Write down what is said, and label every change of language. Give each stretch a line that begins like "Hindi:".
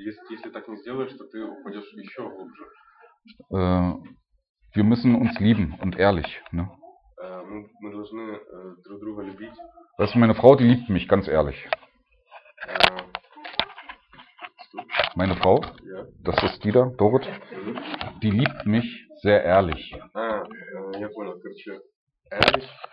Russian: Если так не сделаешь, то ты упадешь еще глубже.
German: Wir müssen uns lieben und ehrlich. Ne?
Russian: Мы должны друг друга любить.
German: Weißt du, meine Frau, die liebt mich, ganz ehrlich. Meine Frau, ja. Das ist die da, Dorit, die liebt mich sehr ehrlich. Ja, ich habe gehört, ehrlich.